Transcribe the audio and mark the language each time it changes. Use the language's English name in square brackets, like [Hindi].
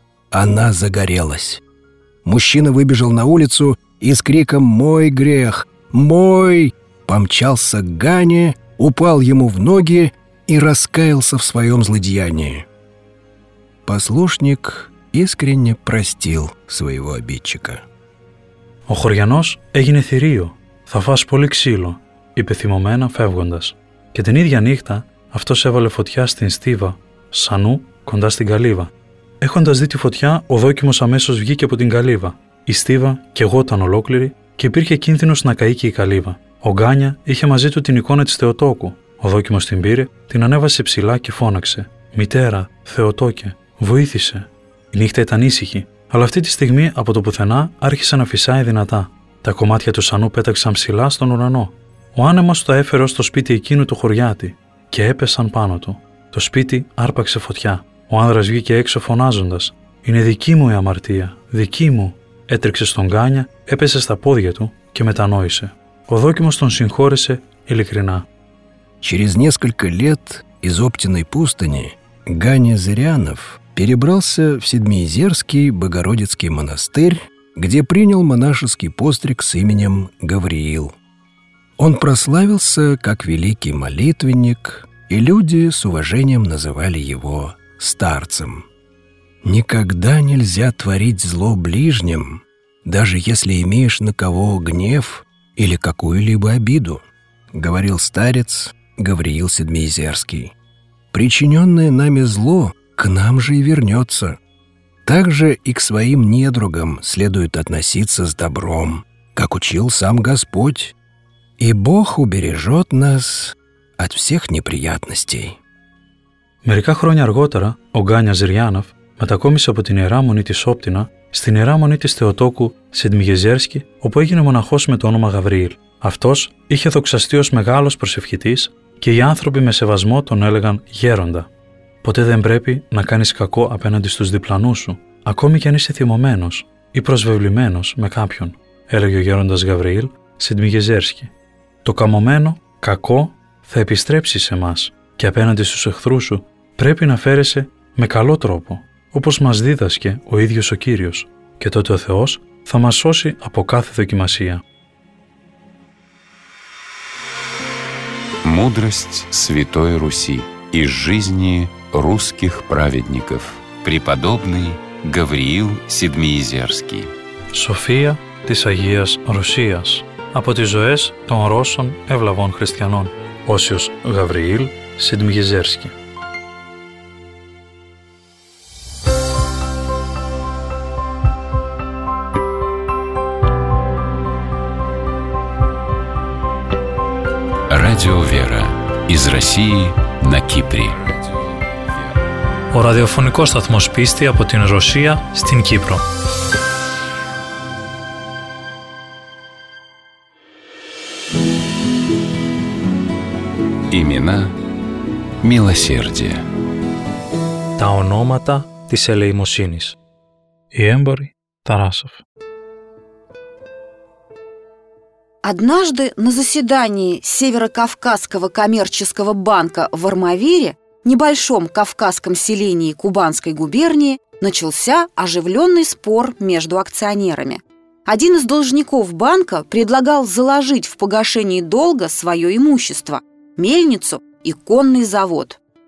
[Russian] Она загорелась. Мужчина выбежал на улицу и с криком «Мой грех! Мой!» помчался к Гане, упал ему в ноги и раскаялся в своем злодеянии. Послушник искренне простил своего обидчика. [Greek] «О хорьянос эгине θηρίο, θα φας πολύ ξύλο», είπε θυμωμένα φεύγοντας. Και την ίδια νύχτα αυτός έβαλε φωτιά στην στίβα, σανού, κοντά στην καλύβα. Έχοντας δει τη φωτιά, ο δόκιμος αμέσως βγήκε από την καλύβα. Η στίβα καιγόταν ολόκληρη και υπήρχε κίνδυνος να καεί και η καλύβα. Ο Γκάνια είχε μαζί του την εικόνα της Θεοτόκου. Ο δόκιμος την πήρε, την ανέβασε ψηλά και φώναξε: «Μητέρα, Θεοτόκε, βοήθησε!» Η νύχτα ήταν ήσυχη, αλλά αυτή τη στιγμή από το πουθενά άρχισε να φυσάει δυνατά. Τα κομμάτια του σανού πέταξαν ψηλά στον ουρανό. Ο άνεμος τα έφερε ως το σπίτι εκείνου του χωριάτη και έπεσαν πάνω του. Το σπίτι άρπαξε φωτιά. Ο άνδρας βγήκε έξω φωνάζοντας: «Είναι δική μου η αμαρτία, δική μου!» Έτρεξε στον Γκάνια, έπεσε στα πόδια του και μετανόησε. Ο δόκιμος τον συγχώρεσε ειλικρινά. [Russian] Через несколько лет из Оптиной пустыни Ганя Зырянов перебрался в Седмиезерский Богородицкий монастырь, где принял монашеский постриг с именем Гавриил. Он прославился как великий молитвенник, и люди с уважением называли его старцем. Никогда нельзя творить зло ближним, даже если имеешь на кого гнев или какую-либо обиду, говорил старец Гавриил Седмиезерский. Причиненное нами зло к нам же и вернется. Также и к своим недругам следует относиться с добром, как учил сам Господь. И Бог убережет нас от всех неприятностей. [Greek] Мерика хроня арготера о Ганя Зырянов μετακόμισε από την Ιερά Μονή της Όπτινα στην Ιερά Μονή της Θεοτόκου Σεντμιγεζέρσκι, όπου έγινε μοναχός με το όνομα Γαβριήλ. Αυτός είχε δοξαστεί ως μεγάλος προσευχητής και οι άνθρωποι με σεβασμό τον έλεγαν «γέροντα». Ποτέ δεν πρέπει να κάνεις κακό απέναντι στους διπλανούς σου, ακόμη κι αν είσαι θυμωμένος ή προσβεβλημένος με κάποιον, έλεγε ο γέροντας Γαβριήλ Σεντμιγεζέρσκι. Το καμωμένο, κακό, θα επιστρέψει σε μας και απέναντι στους εχθρούς σου πρέπει να φέρεσαι με καλό τρόπο, όπως μας δίδασκε ο ίδιος ο Κύριος, και τότε ο Θεός θα μας σώσει από κάθε δοκιμασία. [Russian] Мудрость Святой Руси из жизни русских праведников. Преподобный Гавриил Седмиизерский. [Greek] София της Агίας Ρωσίας. Από τις ζωές των Ρώσων ευλαβών χριστιανών. Όσιος Γαβριήλ Σιντμιγιζέρσκι. [Russian] Радио Вера. Из России на Кипре. [Greek] Ο ραδιοφωνικός σταθμός πίστη από την Ρωσία στην Κύπρο. [Russian] Имена милосердия. [Greek] Τα ονόματα της ελεημοσύνης. Οι έμποροι Тарасов. [Russian] Однажды на заседании Северо-Кавказского коммерческого банка в Армавире, небольшом кавказском селении Кубанской губернии, начался оживленный спор между акционерами. Один из должников банка предлагал заложить в погашении долга свое имущество – мельницу и конный завод.